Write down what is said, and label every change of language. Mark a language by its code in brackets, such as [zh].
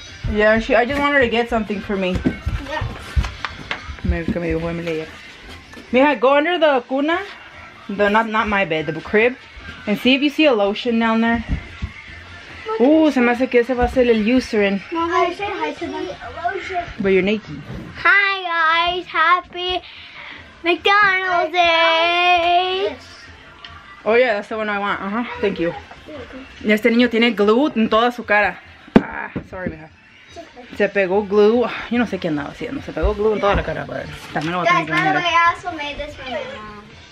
[en] Yeah, she, I just wanted to get something for me. Maybe [es] me dijo [en] Emily. Mija, go under the cuna. The, not my bed, the crib. And see if you see a lotion down there. [es] Se me hace que ese va a ser el Eucerin. [en] No, hi, but you're naked. Hi guys, happy McDonald's Day. Oh yeah, that's the one I want. Thank you. [es] Y este niño tiene glue en toda su cara. [en] Ah, sorry, [es] mija. Se pegó glue. Yo no sé qué andaba haciendo. Se pegó glue en toda la cara, pero también lo va a tener. [en] Guys, by the way, I also made this for my mom.